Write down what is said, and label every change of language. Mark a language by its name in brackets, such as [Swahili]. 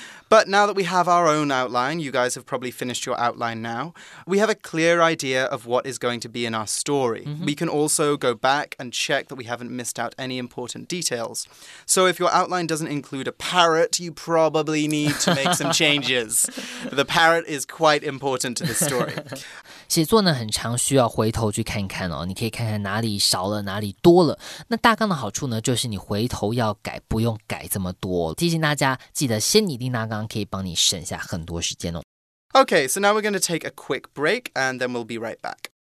[English] But now that we have our own outline, you guys have probably finished your outline now, we have a clear idea of what is going to be in our story. Mm-hmm. We can also go back and check that we haven't missed out any important details. So if your outline doesn't include a parrot, you probably need to make some changes. The parrot is quite important to the story. [Chinese] 写作呢，很常需要回头去看看哦。你可以看看哪里少了，哪里多了。那大纲的好处呢，就是你回头要改，不用改这么多。提醒大家，记得先拟定大纲，可以帮你省下很多时间哦。 [English] Okay, so now we're going to take a quick break, and then we'll be right back.